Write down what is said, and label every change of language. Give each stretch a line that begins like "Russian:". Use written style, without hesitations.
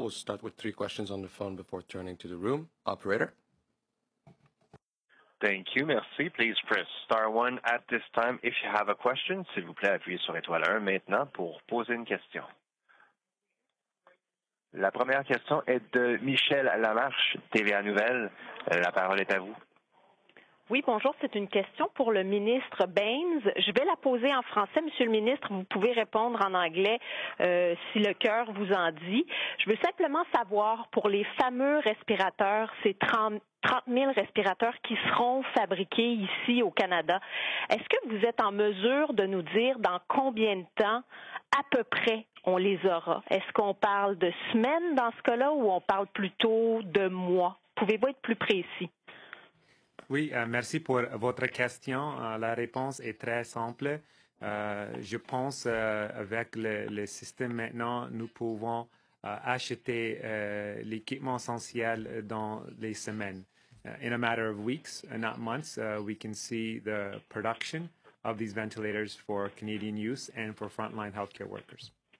English: We'll start with three questions on the phone before turning to the room. Operator. Thank you.
French: Merci.
English: Please press star one at this time if you have a question.
French: S'il vous plaît, appuyez sur étoile 1 maintenant pour poser une question. La première question est de Michel Lamarche, TVA Nouvelle. La parole est à vous. Oui, bonjour. C'est une question pour le ministre Bains. Je vais la poser en français, monsieur le ministre. Vous pouvez répondre en anglais si le cœur vous en dit. Je veux simplement savoir, pour les fameux respirateurs, ces 30 000 respirateurs qui seront fabriqués ici au Canada, est-ce que vous êtes en mesure de nous dire dans combien de temps, à peu près, on les aura? Est-ce qu'on parle de semaines dans ce cas-là ou on parle plutôt de mois? Pouvez-vous être plus précis? Oui, merci pour votre question. La réponse est très simple. Je pense avec le système maintenant, nous pouvons acheter l'équipement essentiel dans les semaines.
English: In a matter of weeks, not months, we can see the production of these ventilators for Canadian use and for frontline healthcare workers.